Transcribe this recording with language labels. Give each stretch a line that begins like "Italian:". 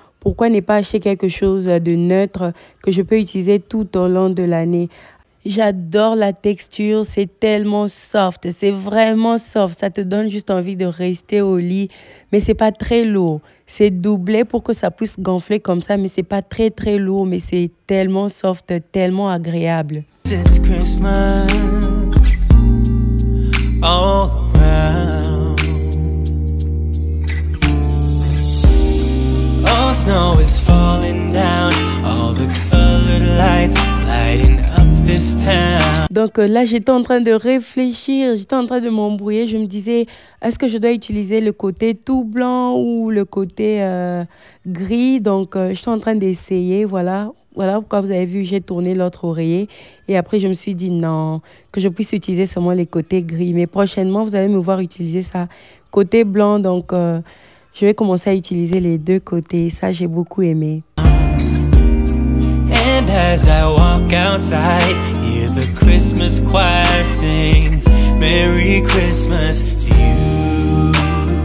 French: Pourquoi ne pas acheter quelque chose de neutre que je peux utiliser tout au long de l'année? J'adore la texture, c'est tellement soft, c'est vraiment soft, ça te donne juste envie de rester au lit, mais c'est pas très lourd. C'est doublé pour que ça puisse gonfler comme ça, mais c'est pas très très lourd, mais c'est tellement soft, tellement agréable.
English: It's Christmas all around. All snow is falling down, all the colored lights lighting up.
French: Donc là, j'étais en train de réfléchir, j'étais en train de m'embrouiller. Je me disais, est-ce que je dois utiliser le côté tout blanc ou le côté gris? Donc, j'étais en train d'essayer. Voilà, voilà pourquoi vous avez vu, j'ai tourné l'autre oreiller. Et après, je me suis dit non, que je puisse utiliser seulement les côtés gris. Mais prochainement, vous allez me voir utiliser ça côté blanc. Donc, je vais commencer à utiliser les deux côtés. Ça, j'ai beaucoup aimé.
English: And as I walk outside, hear the Christmas choir sing, Merry Christmas to you.